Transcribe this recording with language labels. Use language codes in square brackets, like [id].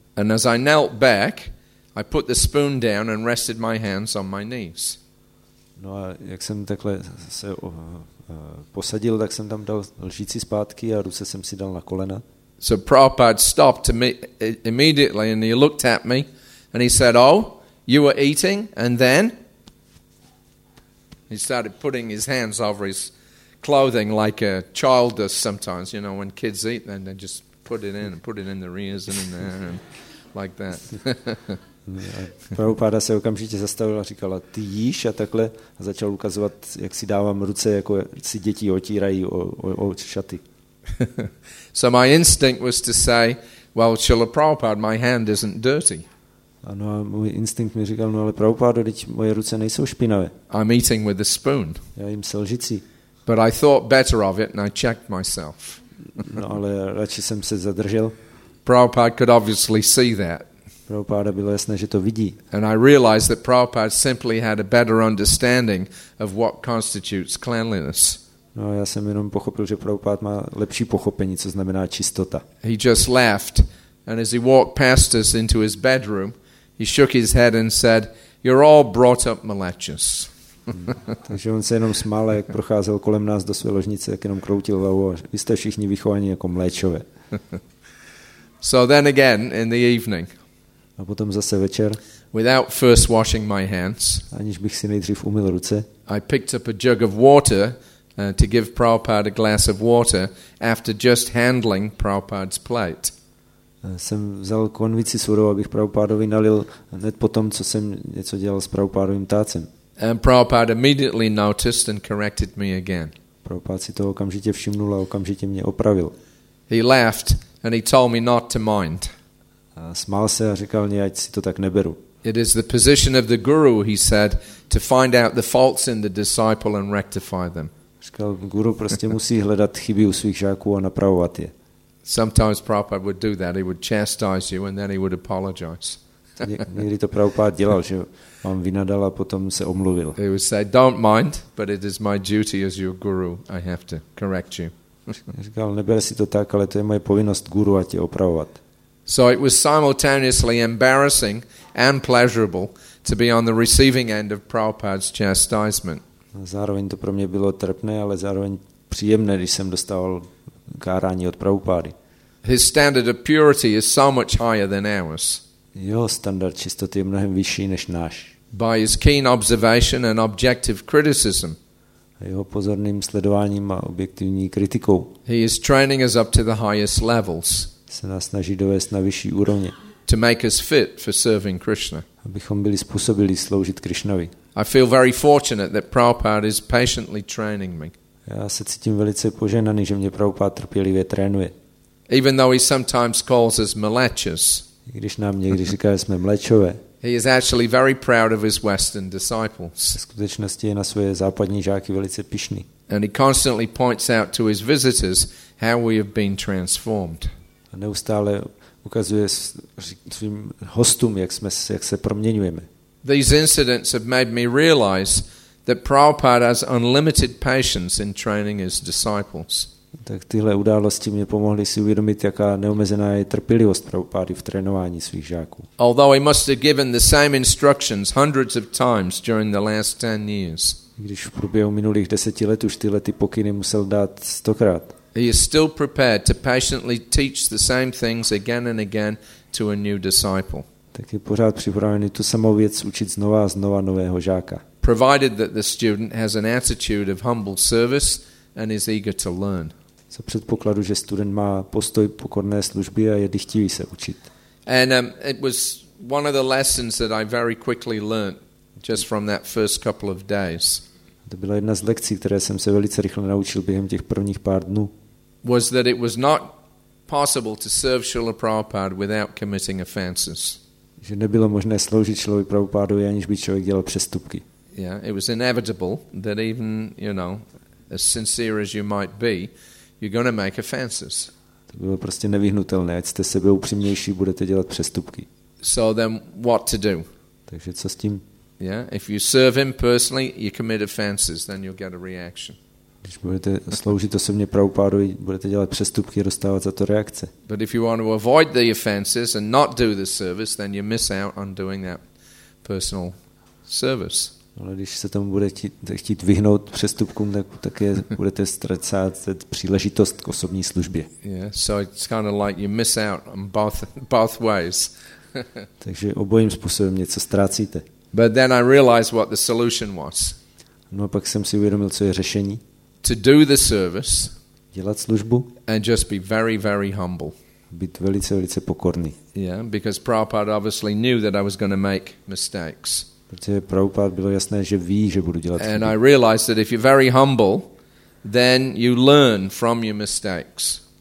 [en] And as I knelt back, I put the spoon down and rested my hands on my knees. [cs] No a jak jsem takhle se posadil, tak jsem tam dal lžíci zpátky a ruce jsem si dal na kolena. [en] So Prabhupada stopped to me immediately and he looked at me and he said, "Oh, you were eating?" And then he started putting his hands over his clothing like a child does sometimes, you know, when kids eat, then they just put it in their ears and in there and like that. [cs] Prabhupada se okamžitě zastavil a říkal, ty jíš a takhle, a začal ukazovat, jak si dávám ruce, jako si děti otírají o šaty. [en] So my instinct was to say, well, Srila Prabhupada, my hand isn't dirty. [cs] Ano, a můj instinkt mi říkal, no ale Prabhupada, teď moje ruce nejsou špinavé. [en] I'm eating with a spoon. [cs] Já jim se lžicí. [en] But I thought better of it and I checked myself. [cs] No ale radši jsem se zadržel. [en] Prabhupada could obviously see that. [cs] Prabhupada bylo jasné, že to vidí. [en] And I realized that Prabhupada simply had a better understanding of what constitutes cleanliness. [cs] No, já jsem jenom pochopil, že Prabhupada má lepší pochopení, co znamená čistota. [en] He just laughed, and as he walked past us into his bedroom, he shook his head and said, "You're all brought up malicious." [cs] Takže on se jenom smál, jak procházel kolem nás do své ložnice, jak jenom kroutil hlavou. Vy jste všichni vychovaní jako mléčové. [en] So then again in the evening. [cs] A potom zase večer. [en] Without first washing my hands, [cs] aniž bych si nejdřív umyl ruce, [en] I picked up a jug of water to give Prabhupada a glass of water after just handling Prabhupada's plate. [cs] jsem vzal konvici surovou, abych Prabhupádovi nalil hned po tom, co jsem něco dělal s Prabhupádovým tácem. [en] And Prabhupada immediately noticed and corrected me again. [cs] Prabhupád si to okamžitě všimnul a okamžitě mě opravil. [en] He laughed and he told me not to mind. [cs] A smál se a říkal mi, ať si to tak neberu. [en] It is the position of the guru, he said, to find out the faults in the disciple and rectify them. [cs] Říkal, guru prostě musí hledat chyby u svých žáků a napravovat je. [en] Sometimes Prabhupada would do that. He would chastise you and then he would apologize. [cs] Někdy to Prabhupada dělal, že vám vynadal a potom se omluvil. [en] He would say, don't mind, but it is my duty as your guru. I have to correct you. [cs] Říkal, neber si to tak, ale to je moje povinnost guru a tě opravovat. [en] So it was simultaneously embarrassing and pleasurable to be on the receiving end of Prabhupada's chastisement. [cs] Zároveň to pro mě bylo trpné, ale zároveň příjemné, když jsem dostával kárání od Prabhupády. [en] His standard of purity is so much higher than ours. [cs] Jeho standard čistoty je mnohem vyšší než náš. [en] By his keen observation and objective criticism. [cs] Jeho pozorným sledováním a objektivní kritikou. [en] He is training us up to the highest levels. [cs] Se nás snaží dovést na vyšší úrovně. [en] To make us fit for serving Krishna. [cs] Abychom byli způsobili sloužit Krišnovi. [en] I feel very fortunate that Prabhupada is patiently training me. [cs] Já se cítím velice požehnaný, že mě Prabhupada trpělivě trénuje. [en] Even though he sometimes calls us mlečas. [cs] I když nám někdy říká, že jsme mlečové. [en] He is actually very proud of his western disciples. [cs] V skutečnosti je na své západní žáky velice pyšný. [en] And he constantly points out to his visitors how we have been transformed. [cs] A neustále ukazuje svým hostům, jak se proměňujeme. [en] These incidents have made me realize that Prabhupada has unlimited patience in training his disciples. [cs] Tak tyhle události mě pomohly si uvědomit, jaká neomezená je trpělivost Prabhupády v trénování svých žáků. [en] Although he must have given the same instructions hundreds of times during the last 10 years. [cs] Když v průběhu minulých 10 let už tyhle ty pokyny musel dát 100x. [en] He is still prepared to patiently teach the same things again and again to a new disciple. [cs] Tak je pořád připravený tu samou věc učit znova a znova nového žáka. [en] Provided that the student has an attitude of humble service and is eager to learn. [cs] Za předpokladu, že student má postoj pokorné služby a je dychtivý se učit. [en] And it was one of the lessons that I very quickly learned just from that first couple of days. [cs] To byla jedna z lekcí, které jsem se velice rychle naučil během těch prvních pár dnů. [en] Was that it was not possible to serve Srila Prabhupada without committing offenses. [cs] Že nebylo možné sloužit Srilovi Prabhupádovi, aniž by člověk dělal přestupky. [en] Yeah, it was inevitable that even, you know, as sincere as you might be, you're going to make offenses. [cs] To bylo prostě nevyhnutelné, ať jste sebeupřímnější, budete dělat přestupky. [en] So then what to do? [cs] Takže co s tím? [en] Yeah, if you serve him personally, you commit offenses, then you'll get a reaction. [cs] Když budete sloužit osobně Prabhupádovi, budete dělat přestupky a dostávat za to reakce. [en] But if you want to avoid the offenses and not do the service, then you miss out on doing that personal service. [cs] Ale když se tomu budete chtít vyhnout přestupkům, tak také budete ztrácet příležitost k osobní službě. [en] Yeah, so it's kind of like you miss out on both ways. [cs] Takže obojím způsobem něco ztrácíte. [en] But then I realized what the solution was. [cs] No a pak jsem si uvědomil, co je řešení. [en] To do the service. [cs] Dělat službu. [en] And just be very, very humble. [cs] Být velice, velice pokorný. [en] Yeah, because Prabhupada obviously knew that I was going to make mistakes. [cs] Protože Prabhupada bylo jasné, že ví, že budu dělat chyby. [en] And I realized that if you're very humble, then you learn from your mistakes.